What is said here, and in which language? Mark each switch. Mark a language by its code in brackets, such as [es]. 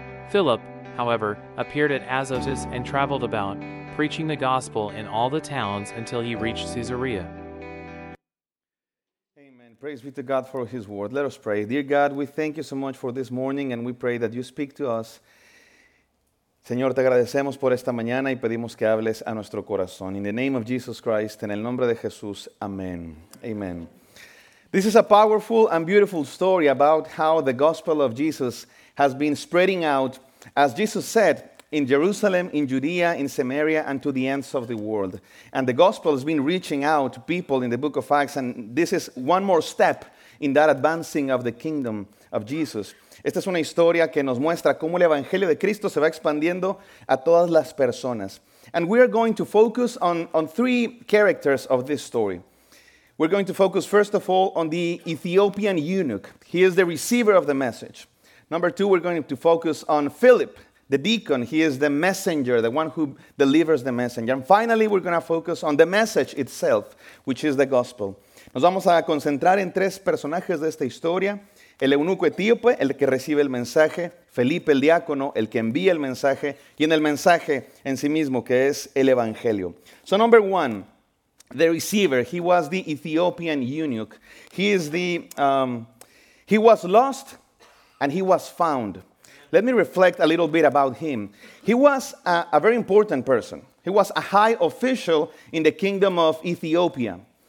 [en] Philip, however, appeared at Azotus and traveled about, preaching the gospel in all the towns until he reached Caesarea. Amen. Praise be to God for his word. Let us pray. Dear God, we thank you so much for this morning, and we pray that you speak to us. [es] Señor, te agradecemos por esta mañana y pedimos que hables a nuestro corazón. [en] In the name of Jesus Christ, [es] en el nombre de Jesús, amén. [en] Amen. This is a powerful and beautiful story about how the gospel of Jesus has been spreading out, as Jesus said, in Jerusalem, in Judea, in Samaria, and to the ends of the world. And the gospel has been reaching out to people in the book of Acts, and this is one more step in that advancing of the kingdom of Jesus. [es] Esta es una historia que nos muestra cómo el Evangelio de Cristo se va expandiendo a todas las personas. [en] And we are going to focus on three characters of this story. We're going to focus, first of all, on the Ethiopian eunuch. He is the receiver of the message. Number two, we're going to focus on Philip, the deacon. He is the messenger, the one who delivers the messenger. And finally, we're going to focus on the message itself, which is the gospel. [es] Nos vamos a concentrar en tres personajes de esta historia. El eunuco etíope, el que recibe el mensaje, Felipe el diácono, el que envía el mensaje, y en el mensaje en sí mismo, que es el evangelio. [en] So number one, the receiver, he was the Ethiopian eunuch. He is the, he was lost and he was found. Let me reflect a little bit about him. He was a very important person. He was a high official in the kingdom of Ethiopia.